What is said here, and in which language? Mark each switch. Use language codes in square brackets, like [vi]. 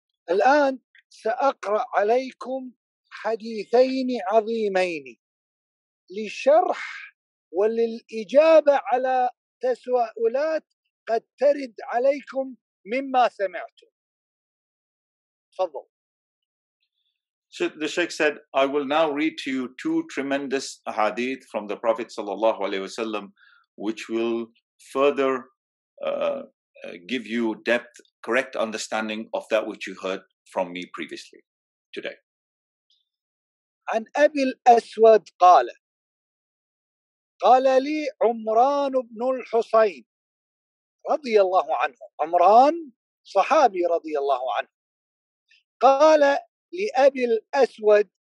[ar] الآن سأقرأ عليكم حديثين عظيمين لشرح وللإجابة على تساؤلات قد ترد عليكم مما سمعتم. تفضل. [en] So the Sheikh said, I will now read to you two tremendous hadith from the Prophet sallallahu alaihi wasallam, which will further give you depth, correct understanding of that which you heard from me previously today. [ar] عن أبي الأسود قال قال لي عمران بن الحسين رضي الله عنه عمران صحابي رضي الله عنه قال لأبي الأسود